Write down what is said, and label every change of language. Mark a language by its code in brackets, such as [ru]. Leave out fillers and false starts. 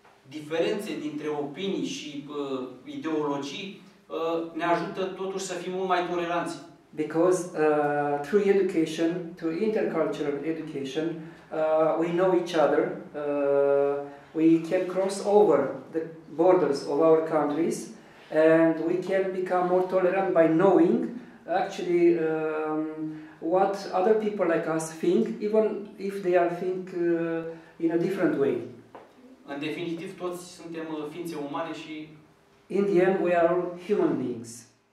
[ro] diferențe dintre opinii și ideologii ne ajută totuși să fim mult mai toleranți. [en] Because through education, through intercultural education, we know each other, we can cross over the borders of our countries and we can become more tolerant by knowing actually what other people like us think, even if they are think in a different way. [ro] În definitiv, toți suntem ființe umane și [en] in the end, we are all human beings.